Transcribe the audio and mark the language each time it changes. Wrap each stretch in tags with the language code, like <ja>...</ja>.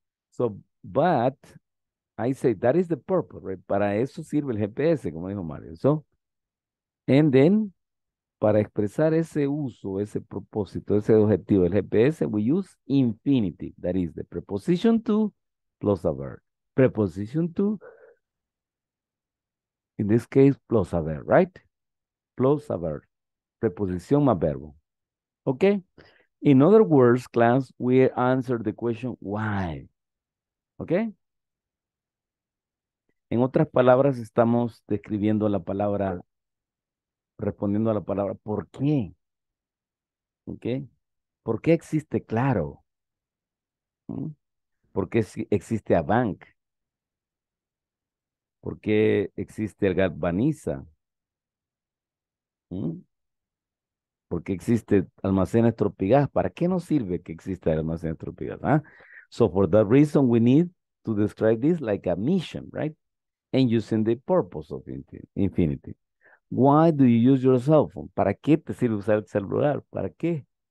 <en>So, but I say that is the purpose, right?</en> <es>Para eso sirve el GPS, como dijo Mario.</es> <en>So, and then,</en> <es>para expresar ese uso, ese propósito, ese objetivo del GPS,</es> <en>we use infinitive, that is the preposition to plus a verb. Preposition to, in this case, plus a verb, right? Plus a verb.</en> <es>Preposición más verbo.</es> <en>Okay? In other words, class, we answer the question, why? Okay?</en> <es>En otras palabras, estamos describiendo la palabra, respondiendo a la palabra, ¿por qué? Okay? ¿Por qué existe Claro? ¿Por qué existe Avank? ¿Por qué existe el Galvaniza? ¿Por qué existe almacenes tropigás? ¿Para qué nos sirve que exista almacenes tropigás? ¿Eh?</es> <en>So for that reason, we need to describe this like a mission, right? And using the purpose of infinity. Why do you use your cell phone?</en> <es>¿Para qué te sirve usar el celular? ¿Para qué?</es>